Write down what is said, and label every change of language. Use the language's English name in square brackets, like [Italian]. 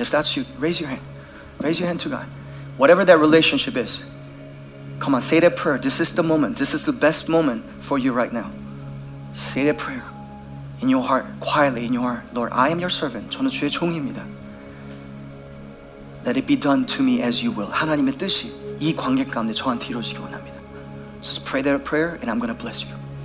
[English] If that's you, raise your hand. Raise your hand to God. Whatever that relationship is, come on, say that prayer. This is the moment. This is the best moment for you right now. Say that prayer in your heart, quietly in your heart. Lord, I am your servant. [Korean] 저는 주의 종입니다. [English] Let it be done to me as you will. [Korean] 하나님의 뜻이 이 관계 가운데 저한테 이루어지기 원합니다. [English] Just pray that prayer and I'm going to bless you.